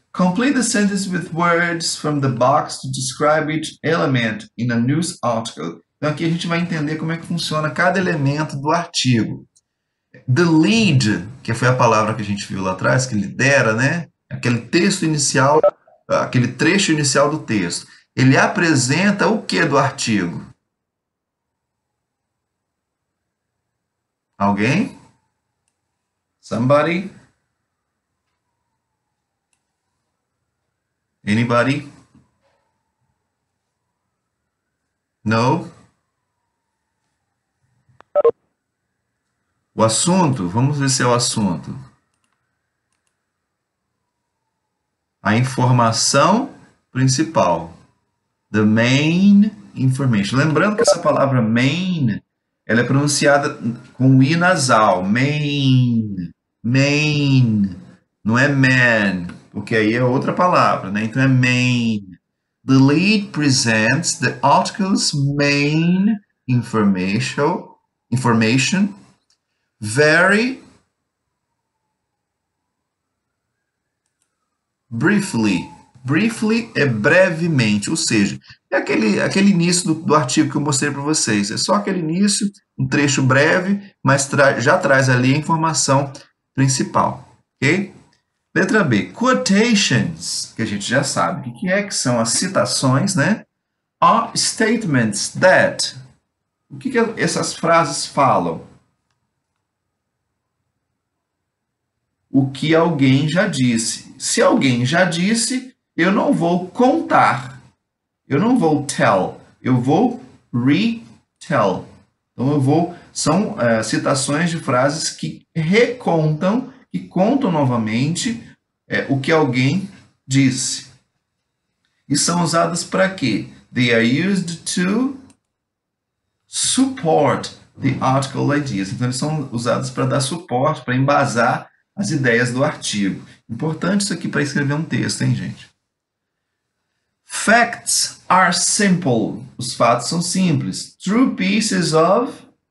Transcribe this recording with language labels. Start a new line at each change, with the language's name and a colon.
English: Complete the sentence with words from the box to describe each element in a news article.
Portuguese: Então aqui a gente vai entender como é que funciona cada elemento do artigo. The lead, que foi a palavra que a gente viu lá atrás, que lidera, né? Aquele texto inicial, aquele trecho inicial do texto. Ele apresenta o que do artigo? Alguém?
English: Somebody? Anybody? No?
Portuguese: O assunto? Vamos ver se é o assunto. A informação principal.
English: The main information.
Portuguese: Lembrando que essa palavra main, ela é pronunciada com i nasal. Main. Main, não é man, porque aí é outra palavra, né? Então é main.
English: The lead presents the article's main information, very briefly.
Portuguese: Briefly é brevemente, ou seja, é aquele início do artigo que eu mostrei para vocês. É só aquele início, um trecho breve, mas já traz ali a informação principal, ok? Letra B, quotations, que a gente já sabe o que é, que são as citações, né?
English: Are statements that.
Portuguese: O que que essas frases falam? O que alguém já disse. Se alguém já disse, eu não vou contar. Eu não vou tell. Eu vou retell. Então eu vou. São citações de frases que recontam. E contam novamente É o que alguém disse. E são usadas para quê?
English: They are used to support the article ideas.
Portuguese: Então, eles são usados para dar suporte, para embasar as ideias do artigo. Importante isso aqui para escrever um texto, hein, gente?
English: Facts are simple.
Portuguese: Os fatos são simples.
English: True pieces of.